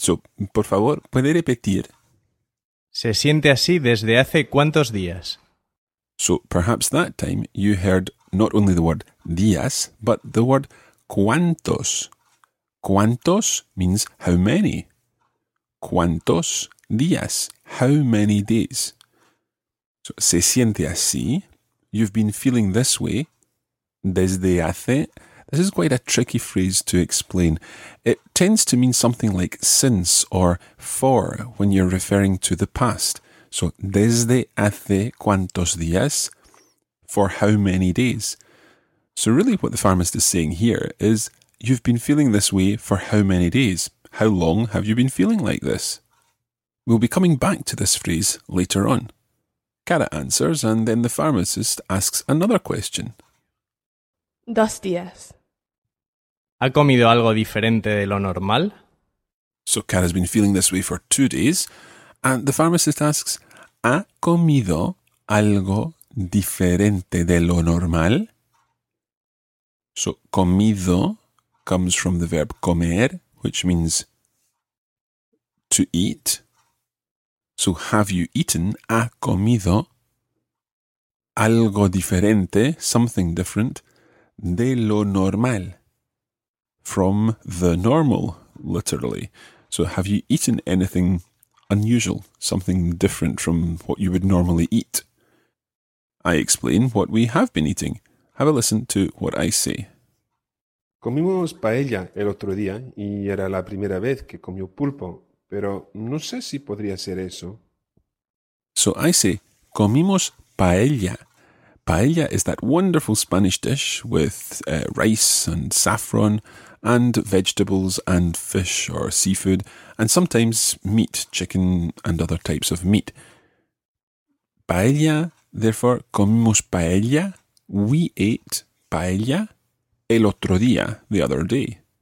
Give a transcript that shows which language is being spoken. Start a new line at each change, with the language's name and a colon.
Spanish: So, por favor, ¿puede repetir? Se siente así desde hace cuántos días.
English: So perhaps that time you heard not only the word días, but the word cuántos. ¿Cuántos means how many?
Spanish: ¿Cuántos días?
English: How many days? So,
Spanish: se siente así.
English: You've been feeling this way
Spanish: desde hace.
English: This is quite a tricky phrase to explain. It tends to mean something like since or for when you're referring to the past. So,
Spanish: desde hace cuántos días,
English: for how many days. So, really what the pharmacist is saying here is, you've been feeling this way for how many days? How long have you been feeling like this? We'll be coming back to this phrase later on. Cara answers, and then the pharmacist asks another question.
Spanish: 2 días. ¿Ha comido algo diferente de lo normal?
English: So Cara's been feeling this way for 2 days, and the pharmacist asks,
Spanish: ¿Ha comido algo diferente de lo normal?
English: So comido comes from the verb comer, which means to eat. So have you eaten?
Spanish: ¿Ha comido algo diferente,
English: something different,
Spanish: de lo normal?
English: From the normal, literally. So have you eaten anything unusual, something different from what you would normally eat? I explain what we have been eating. Have a listen to what I say.
Spanish: Comimos paella el otro día y era la primera vez que comió pulpo, pero no sé si podría ser eso.
English: So I say,
Spanish: comimos paella.
English: Paella is that wonderful Spanish dish with rice and saffron and vegetables and fish or seafood and sometimes meat, chicken and other types of meat. Paella, therefore,
Spanish: comimos paella.
English: We ate paella
Spanish: el otro día,
English: the other day.